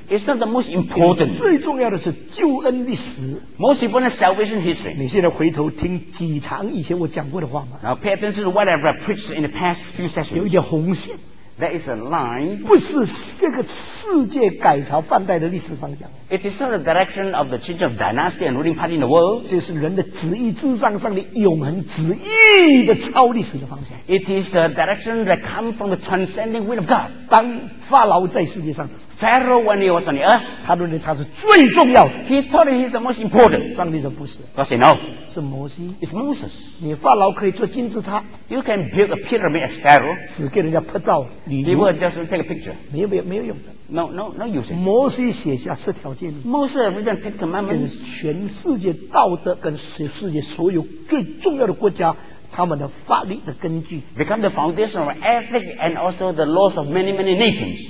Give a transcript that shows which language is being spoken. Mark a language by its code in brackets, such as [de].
[en] It's not the most important. [zh] 最重要的是救恩历史 [en] Most important is salvation history. [zh] 你现在回头听几堂以前我讲过的话吗 [en] Now pay attention to whatever I preached in the past few sessions. [zh] 有一条红线 [en] That is a line. [zh] 不是这个世界改朝换代的历史方向 [en] It is not the direction of the change of dynasty and ruling party in the world. [zh] 这是人的旨意至上上的永恒旨意的超历史的方向 [en] It is the direction that comes from the transcending will of God. [zh] 当法老在世界上 [en] Pharaoh when he was on the earth, [zh] 他认为他是最重要的。 [en] He thought he's the most important. [zh] 上帝说不是。 [en] God said no. [zh] 是摩西。 [en] It's Moses. [zh] 你法老可以做金字塔。 [en] You can build a pyramid as Pharaoh. [zh] 只给人家拍照。 [en] People just take a picture. [zh] 没有用的。 [en] No use. [zh] 摩西写下十条诫命。 [en] Moses written Ten Commandments. [zh] 跟全世界道德跟世界所有最重要的国家。他们的法律的根据 [en] become the foundation of ethics and also the laws of many many nations.